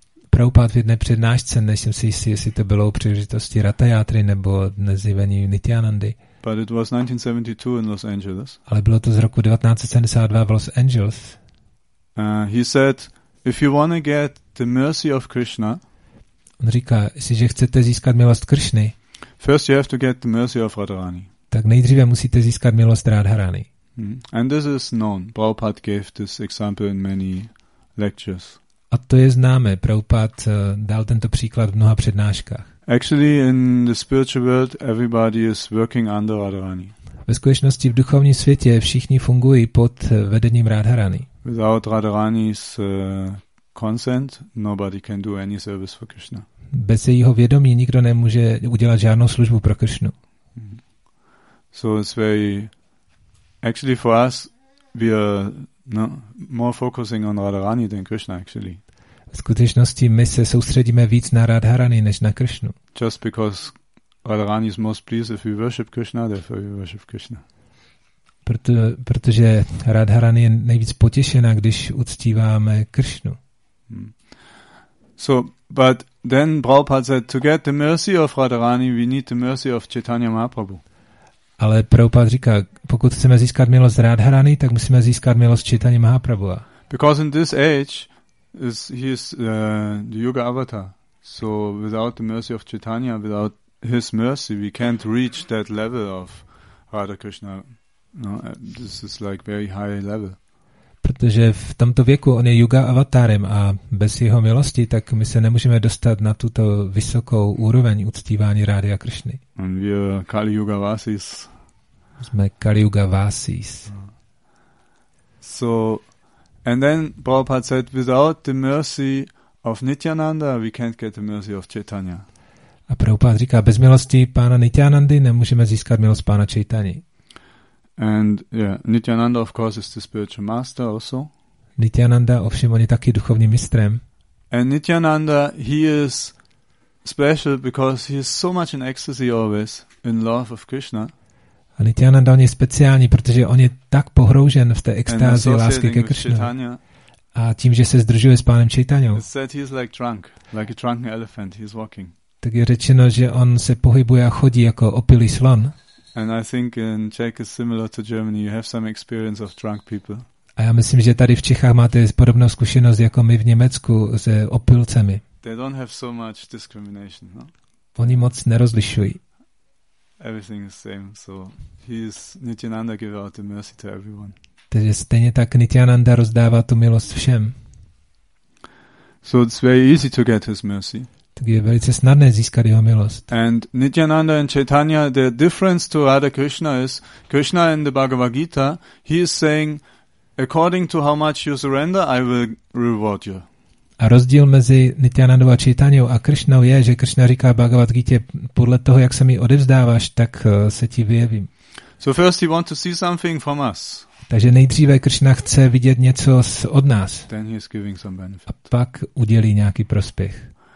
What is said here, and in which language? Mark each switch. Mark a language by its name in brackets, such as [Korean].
[Czech] Prabhupád v jedné přednášce, nejsem si jistý, jestli to bylo u příležitosti Ratajátry nebo dnes zjevení Nityanandy. [English] But it was 1972 in Los Angeles. [Czech] Ale bylo to z roku 1972 v Los Angeles. [English] He said, if you want to get the mercy of Krishna, [Czech] on říká, jestliže chcete získat milost Krishny, [English] first you have to get the mercy of Radharani. [Czech] Tak nejdříve musíte získat milost Radharani. [English] And this is known. Prabhupád gave this example in many lectures. [Czech] A to je známé. Prabhupád dal tento příklad v mnoha přednáškách. [English] Actually, in the spiritual world, everybody is working under Radharani. [Czech] Ve skutečnosti v duchovním světě všichni fungují pod vedením Radharani. [English] Without Radharani's consent, nobody can do any service for Krishna. [Czech] Bez jejího vědomí nikdo nemůže udělat žádnou službu pro Krishnu. [English] So it's very, actually for us, we are more focusing on Radharani than Krishna, actually. [Czech] V skutečnosti my se soustředíme víc na Radharani než na Krishnu. [English] Just because Radharani is most pleased if we worship Krishna, therefore we worship Krishna. [Czech] Protože Radharani je nejvíc potěšená, když uctíváme Krishnu. [English] So, but then Prabhupada said, to get the mercy of Radharani, we need the mercy of Chaitanya Mahaprabhu. [Czech] Ale Prabhupada říká, pokud chceme získat milost Radharani, tak musíme získat milost Chaitanya Mahaprabhuva. [English] Because in this age is he is the yuga avatar. So without the mercy of Chaitanya, without his mercy, we can't reach that level of Radha Krishna. No, this is like very high level. [Czech] Protože v tomto věku on je yuga avatarem a bez jeho milosti tak my se nemůžeme dostat na tuto vysokou úroveň uctívání Radha Krishny. [English] And we are Kali Yuga Vasis. [Czech] Jsme Kali Yuga Vasis. [English] So and then Prabhupada said without the mercy of Nityananda we can't get the mercy of Chaitanya. [Czech] A Prabhupada říká bez milosti pána Nityanandy nemůžeme získat milost pána Chaitany. [English] And yeah, Nityananda of course is the spiritual master also. [Czech] Nityananda ovšem on je taky duchovním mistrem. [English] And Nityananda he is special because he is so much in ecstasy always in love of Krishna. [Czech] A Nityananda on je speciální, protože on je tak pohroužen v té extázi lásky ke Krishnu. A tím, že se sdružuje s pánem Chaitanyou. [English] It's said he is like drunk, like a drunken elephant, he's walking. [Czech] Tak je řečeno, že on se pohybuje a chodí jako opilý slon. [English] And I think in Czech is similar to Germany. You have some experience of drunk people. [Czech] A já myslím, že tady v Čechách máte podobnou zkušenost jako my v Německu s opilcemi. [English] They don't have so much discrimination, no? [Czech] Oni moc nerozlišují. [English] Everything is same. So he is Nityananda gives out the mercy to everyone. [Czech] Takže stejně tak Nityananda rozdává tu milost všem. [English] So it's very easy to get his mercy. [Czech] Tak je velice snadné získat jeho milost. [English] And Nityananda and Chaitanya, the difference to Radha Krishna is, Krishna in the Bhagavad Gita, he is saying, According to how much you surrender, I will reward you. [Czech] A rozdíl mezi Nityanandovou Čaitanyou a Krishnou je, že Krishna říká Bhagavad Gita, podle toho, jak se mi odevzdáváš, tak se ti vyjevím. [English] So first he wants to see something from us. [Czech] Takže nejdříve Krishna chce vidět něco od nás. [English] Then he is giving some benefit. [Czech] A pak udělí nějaký prospěch.